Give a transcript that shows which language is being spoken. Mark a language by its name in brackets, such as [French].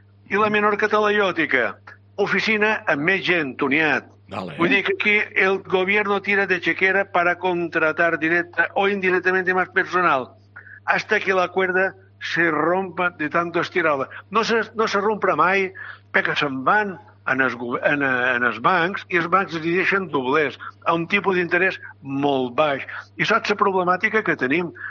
[Catalan] I la Menorca Talaiòtica, oficina amb més gent, Toniat. Vale. Vull dir que aquí [Spanish] el gobierno tira de chequera para contratar directa o indirectamente más personal. Hasta que la cuerda se rompa de tanto estirada. No se rompa [Catalan] mai, perquè se'n van en els bancs i els bancs es deixen doblers a un tipus d'interès molt baix. I saps la problemàtica que tenim?